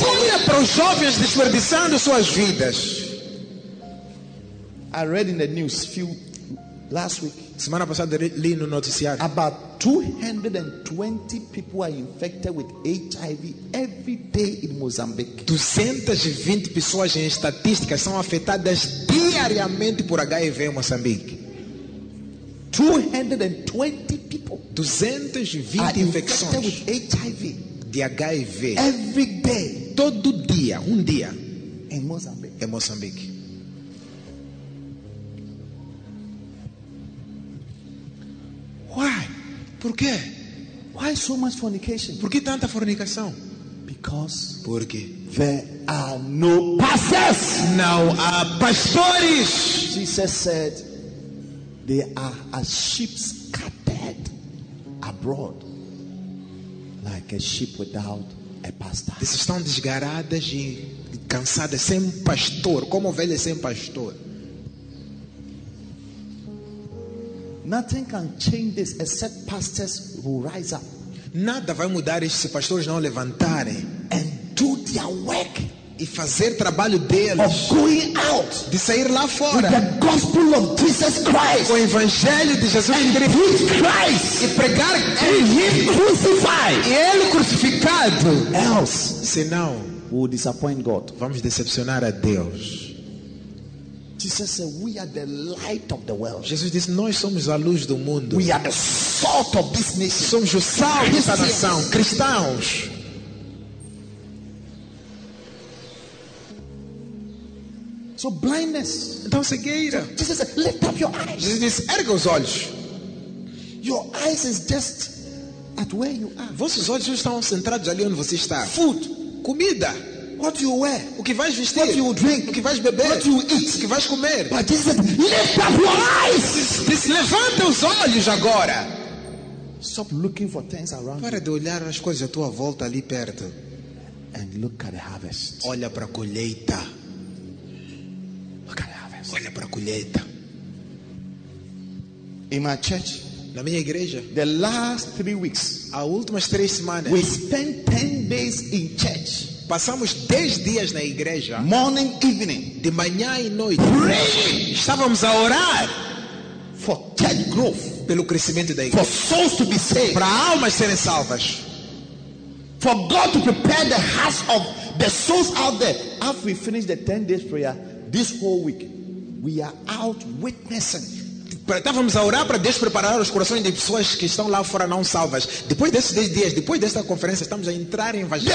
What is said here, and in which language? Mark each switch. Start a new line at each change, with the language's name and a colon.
Portuguese: Olha para os jovens desperdiçando suas vidas.
English: I read in the news few last week.
Portuguese: Semana passada li no noticiário.
English: About 220 people are infected with HIV every day in Mozambique.
Portuguese: 220 pessoas em estatísticas são afetadas diariamente por HIV em Moçambique.
English: 220 people.
Portuguese: 220 infecções.
English: Are infected with HIV.
Portuguese: De HIV.
English: Every day.
Portuguese: Todo dia, um dia.
English: In Mozambique.
Portuguese: Em Moçambique.
English: Why?
Portuguese: Por quê?
English: Why so much fornication?
Portuguese: Por que tanta fornicação?
English: Because
Portuguese: porque
English: there are no pastors.
Portuguese: Não há pastores.
English: Jesus said, they are as sheep scattered abroad, like a sheep without a pastor.
Portuguese: Eles estão desgarradas e cansadas, sem pastor, como ovelhas sem pastor.
English: Nothing can change this except pastors who rise up.
Portuguese: Nada vai mudar isso se pastores não levantarem.
English: And do their work.
Portuguese: E fazer trabalho deles.
English: Of going out.
Portuguese: De sair lá fora.
English: With the gospel of Jesus Christ.
Portuguese: Com o evangelho de Jesus
English: and
Portuguese: Cristo.
English: Preach Christ.
Portuguese: E pregar Cristo.
English: And him crucified.
Portuguese: E ele crucificado.
English: Else.
Portuguese: Senão.
English: We'll disappoint God.
Portuguese: Vamos decepcionar a Deus.
English: Jesus said, "We are the light of the world."
Portuguese: Jesus disse, "Nós somos a luz do mundo."
English: We are the salt of this nation.
Portuguese: Somos o sal desta nação. Cristãos.
English: So blindness.
Portuguese: Então cegueira.
English: So Jesus said, "Lift up your eyes."
Portuguese: Jesus disse, "Ergue os olhos."
English: Your eyes is just at where you are.
Portuguese: Vossos olhos estão centrados ali onde você está.
English: Food,
Portuguese: comida.
English: What you wear?
Portuguese: O que vais vestir?
English: What you drink?
Portuguese: O que vais beber?
English: What you eat?
Portuguese: O que vais comer?
English: But Jesus said, lift up your eyes!
Portuguese: Diz, levanta os olhos agora!
English: Stop looking for things around.
Portuguese: Para de olhar as coisas à tua volta ali perto.
English: And look at the harvest.
Portuguese: Olha para a colheita.
English: Look at the harvest.
Portuguese: trabalha para a colheita.
English: In my church,
Portuguese: na minha igreja,
English: the last 3 weeks,
Portuguese: as últimas 3 semanas,
English: we spent 10 days in church.
Portuguese: Passamos 10 dias na igreja.
English: Morning, evening,
Portuguese: de manhã e noite.
English: Praying.
Portuguese: Estávamos a orar
English: for church growth,
Portuguese: pelo crescimento da igreja.
English: For souls to be saved,
Portuguese: para almas serem salvas.
English: For God to prepare the hearts of the souls out there. After we finish the 10 days prayer, this whole week, we are out witnessing.
Portuguese: Estávamos a orar para Deus preparar os corações de pessoas que estão lá fora não salvas. Depois desses 10 dias, depois desta conferência, estamos a entrar em evangelho.